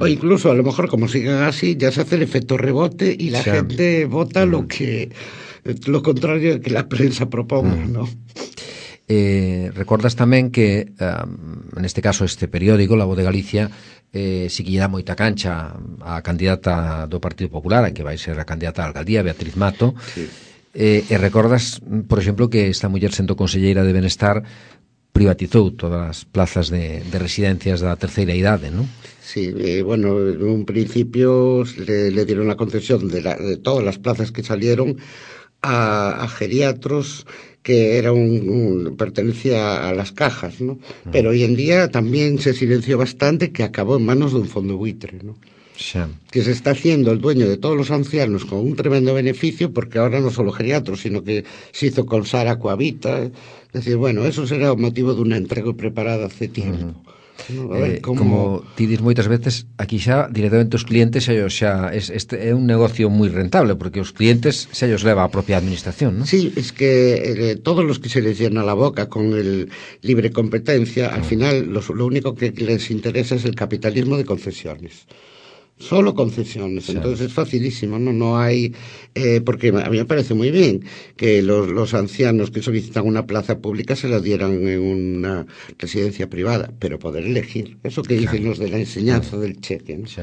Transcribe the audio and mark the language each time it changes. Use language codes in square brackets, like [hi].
[es] O incluso, a lo mejor, como sigan así, ya se hace el efecto rebote y la gente vota lo que lo contrario que la prensa proponga, ¿no? [gl] Recordas tamén que neste caso este periódico La Voz de Galicia si que lle dá moita cancha a candidata do Partido Popular, que vai ser a candidata a alcaldía, Beatriz Mato. E recordas, por exemplo, que esta muller sendo conselleira de Benestar privatizou todas as plazas de residencias da terceira idade, non? [es] Sí, bueno, en un principio le dieron la concesión de todas as plazas que salieron a geriatros que era pertenecía a las cajas, ¿no? Pero hoy en día también se silenció bastante que acabó en manos de un fondo buitre, ¿no? Que se está haciendo el dueño de todos los ancianos con un tremendo beneficio, porque ahora no solo geriatros, sino que se hizo con Sara Coavita. Es decir, bueno, eso será el motivo de una entrega preparada hace tiempo. [gl] A ver, como ti dis moitas veces, aquí xa directamente os clientes xa é un negocio moi rentable, porque os clientes xa os leva a propia administración, ¿no? [es] Sí, es que todos los que se les llena la boca con el libre competencia, al final lo único que les interesa es el capitalismo de concesiones. Solo concesiones, entonces es facilísimo, ¿no? No hay, porque a mí me parece muy bien que los ancianos que solicitan una plaza pública se la dieran en una residencia privada, pero poder elegir, eso que dicen los de la enseñanza del cheque, ¿no?